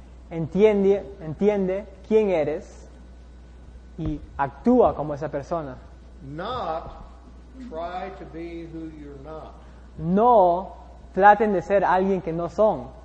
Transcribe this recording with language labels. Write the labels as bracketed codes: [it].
[es] Entiende quién eres y actúa como esa persona. [en] Not try to be who you're not. [es] No traten de ser alguien que no son.